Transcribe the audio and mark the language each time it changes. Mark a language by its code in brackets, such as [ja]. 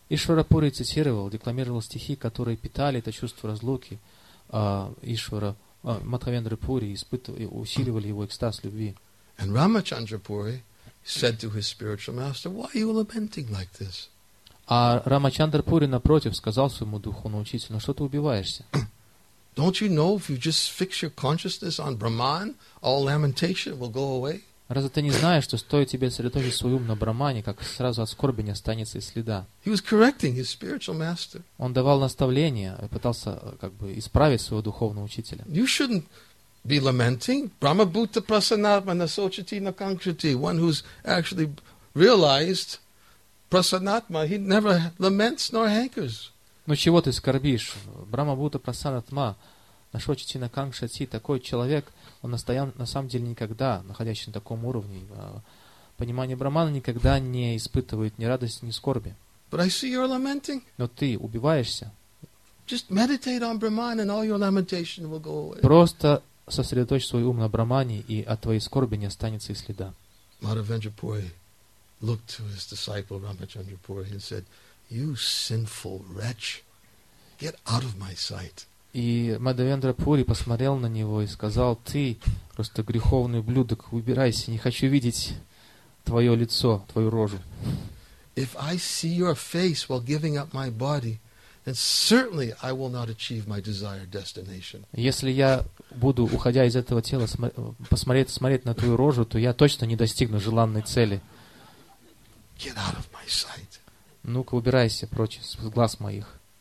[ru] Ишвар Пури цитировал, декламировал стихи, которые питали это чувство разлуки Ишвара Мадхавендры Пури, испытывали, усиливали его экстаз любви. [en] And Рамачандра Пури said to his spiritual master, "Why are you lamenting like this?" [ru] А Рамачандра Пури напротив сказал своему духовному учителю, "Ну что ты убиваешься?" [en] Don't you know if you just fix your consciousness on Brahman, all lamentation will go away? [ru] Разве ты не знаешь, что стоит тебе сосредоточить свой ум на Брахмане, как сразу от скорби не останется и следа? [en] He was correcting his spiritual master. [ru] Он давал наставления и пытался как бы исправить своего духовного учителя. [en] You shouldn't be lamenting. [sa] Brahma Bhuta Prasanatmana Sochitina Kankriti, [en] one who's actually realized Prasanatma, he never laments nor hankers. [ru] Ну чего ты скорбишь? [sa] Брахма Бхута Прасанатма, Нашочитина Кангшати, [ru] такой человек, он на самом деле никогда, находящийся на таком уровне понимания Брахмана, никогда не испытывает ни радости, ни скорби. [en] But I see you're lamenting. [ru] Но ты убиваешься. [en] Just meditate on Brahman and all your lamentation will go away. [ru] Просто сосредоточь свой ум на Брахмане, и от твоей скорби не останется и следа. [en] Мадхавендра Пури looked to his disciple Рамачандра Пури and said, "You sinful wretch, get out of my sight." [ru] И Мадхавендра Пури посмотрел на него и сказал, "Ты просто греховный ублюдок, убирайся, не хочу видеть твое лицо, твою рожу." [en] If I see your face while giving up my body, then certainly I will not achieve my desired destination. [ru] Если я буду, уходя из этого тела, смотреть на твою рожу, то я точно не достигну желанной цели. [en] Get out of my sight. [ru] Ну-ка, убирайся прочь с глаз моих.